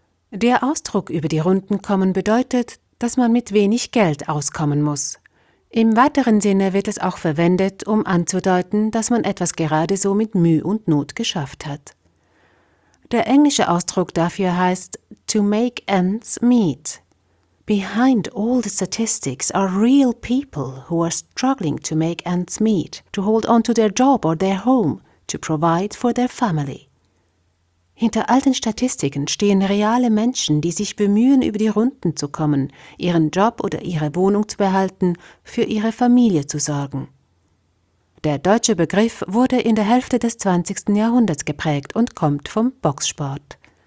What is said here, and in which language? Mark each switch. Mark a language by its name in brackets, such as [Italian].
[German] Der Ausdruck über die Runden kommen bedeutet, dass man mit wenig Geld auskommen muss. Im weiteren Sinne wird es auch verwendet, um anzudeuten, dass man etwas gerade so mit Mühe und Not geschafft hat. Der englische Ausdruck dafür heißt [English] to make ends meet. Behind all the statistics are real people who are struggling to make ends meet, to hold on to their job or their home, to provide for their family. [German] Hinter all den Statistiken stehen reale Menschen, die sich bemühen, über die Runden zu kommen, ihren Job oder ihre Wohnung zu behalten, für ihre Familie zu sorgen. Der deutsche Begriff wurde in der Hälfte des 20. Jahrhunderts geprägt und kommt vom Boxsport.